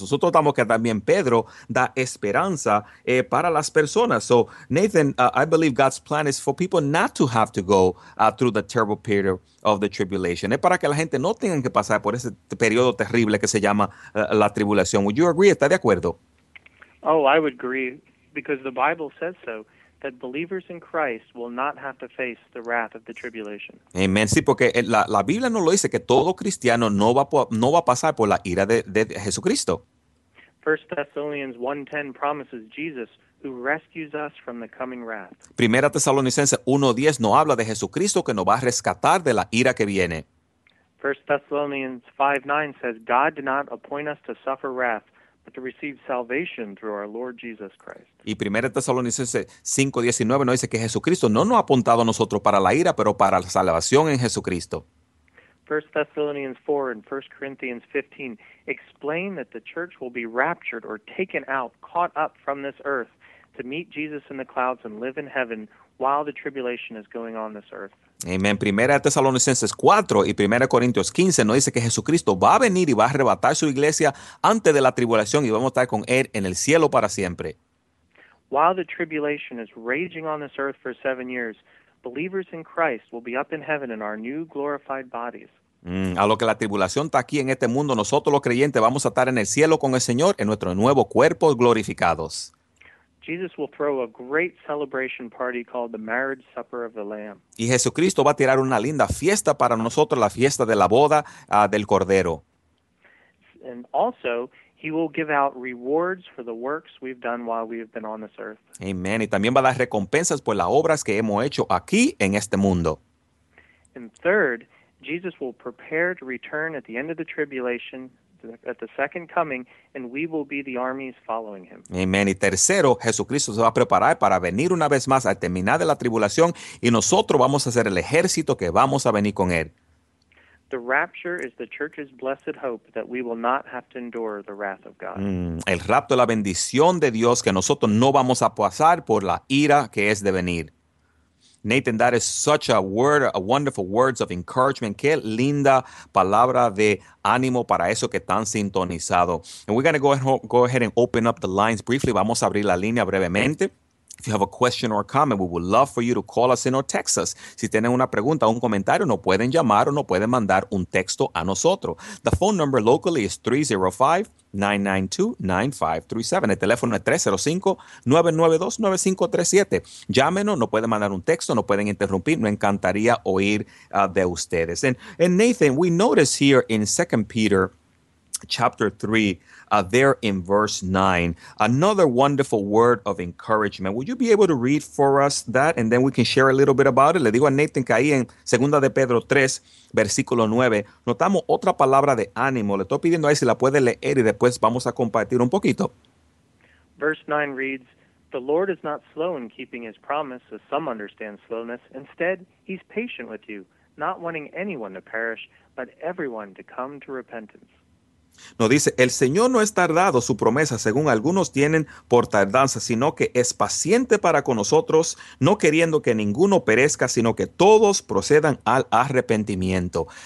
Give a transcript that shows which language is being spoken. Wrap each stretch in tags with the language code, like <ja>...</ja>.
<es>Nosotros estamos que también Pedro da esperanza para las personas.</es> <en>So, Nathan, I believe God's plan is for people not to have to go through the terrible period of the tribulation.</en> <es>Es para que la gente no tengan que pasar por ese periodo terrible que se llama la tribulación.</es> <en>Would you agree?</en> <es>¿Está de acuerdo?</es> <en>Oh, I would agree, because the Bible says so, that believers in Christ will not have to face the wrath of the tribulation. Amen.</en> <es>Sí, porque la Biblia no lo dice que todo cristiano no va a pasar por la ira de Jesucristo.</es> <en>1 Thessalonians 1:10 promises Jesus who rescues us from the coming wrath.</en> <es>Primera Tesalonicense 1:10 no habla de Jesucristo que nos va a rescatar de la ira que viene.</es> <en>1 Thessalonians 5:9 says God did not appoint us to suffer wrath, but to receive salvation through our Lord Jesus Christ.</en> <es>Y 1 Tesalonicenses 5:19 nos dice que Jesucristo no nos ha apuntado a nosotros para la ira, pero para la salvación en Jesucristo.</es> <en>1 Thessalonians 4 and 1 Corinthians 15 explain that the church will be raptured or taken out, caught up from this earth to meet Jesus in the clouds and live in heaven while the tribulation is going on this earth.</en> <es>Amén. Primera Tesalonicenses 4 y Primera Corintios 15 nos dice que Jesucristo va a venir y va a arrebatar su iglesia antes de la tribulación y vamos a estar con Él en el cielo para siempre.</es> <en>While the tribulation is raging on this earth for 7 years, believers in Christ will be up in heaven in our new glorified bodies.</en> <es>A lo que la tribulación está aquí en este mundo, nosotros los creyentes vamos a estar en el cielo con el Señor en nuestro nuevo cuerpo glorificados.</es> <en>Jesus will throw a great celebration party called the Marriage Supper of the Lamb.</en> <es>Y Jesucristo va a tirar una linda fiesta para nosotros, la fiesta de la boda del Cordero.</es> <en>And also, he will give out rewards for the works we've done while we've been on this earth. Amen.</en> <es>Y también va a dar recompensas por las obras que hemos hecho aquí en este mundo.</es> <en>And third, Jesus will prepare to return at the end of the tribulation, at the second coming, and we will be the armies following him. Amen.</en> <es>Y tercero, Jesucristo se va a preparar para venir una vez más al terminar de la tribulación, y nosotros vamos a ser el ejército que vamos a venir con él.</es> <en>The rapture is the church's blessed hope that we will not have to endure the wrath of God.</en> <es>El rapto es la bendición de Dios que nosotros no vamos a pasar por la ira que es de venir.</es> <en>Nathan, that is such a word, a wonderful words of encouragement.</en> <es>Qué linda palabra de ánimo para eso que están sintonizado.</es> <en>And we're going to go ahead and open up the lines briefly.</en> <es>Vamos a abrir la línea brevemente.</es> <en>If you have a question or a comment, we would love for you to call us in or text us.</en> <es>Si tienen una pregunta o un comentario, no pueden llamar o no pueden mandar un texto a nosotros.</es> <en>The phone number locally is 305-992-9537.</en> <es>El teléfono es 305-992-9537. Llámenos, no pueden mandar un texto, no pueden interrumpir. Me encantaría oír de ustedes.</es> <en>And Nathan, we notice here in 2 Peter chapter 3, there in verse 9, another wonderful word of encouragement. Would you be able to read for us that, and then we can share a little bit about it?</en> <es>Le digo a Nathan que ahí en 2 de Pedro 3, versículo 9, notamos otra palabra de ánimo. Le estoy pidiendo ahí si la puede leer y después vamos a compartir un poquito.</es> <en>Verse 9 reads, "The Lord is not slow in keeping his promise, as some understand slowness. Instead, he's patient with you, not wanting anyone to perish, but everyone to come to repentance."</en> <es>Nos dice, el Señor no es tardado, su promesa, según algunos tienen por tardanza, sino que es paciente para con nosotros, no queriendo que ninguno perezca, sino que todos procedan al arrepentimiento.</es>